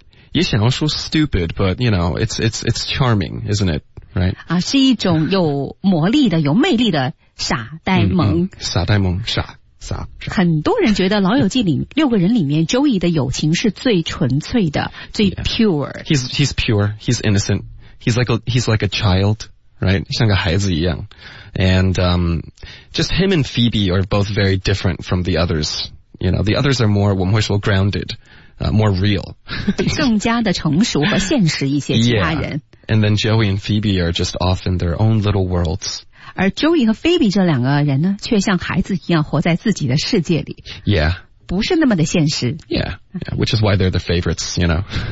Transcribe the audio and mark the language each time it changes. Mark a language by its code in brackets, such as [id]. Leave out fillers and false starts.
[zh] 也想要说 [en] stupid, but you know, it's charming, isn't it? Right? [zh] 啊，是一种有魔力的、有魅力的傻呆萌。傻呆萌，傻。很多人觉得老友记里六个人里面 Joey 的友情是最纯粹的，最 pure。 [en] Yeah. He's pure. He's innocent. He's like a child, right? [zh] 像个孩子一样。 [en] And, just him and Phoebe are both very different from the others. You know, the others are more, [zh] 我们会说 [en] grounded, more real. [zh] 更加的成熟和现实一些其他人。 [en] Yeah. And then Joey and Phoebe are just off in their own little worlds. [zh] 而 Joey 和 Phoebe 这两个人呢却像孩子一样活在自己的世界里。 [en] Yeah. [zh] 不是那么的现实。 [en] Yeah. Which is why they're the favorites, you know.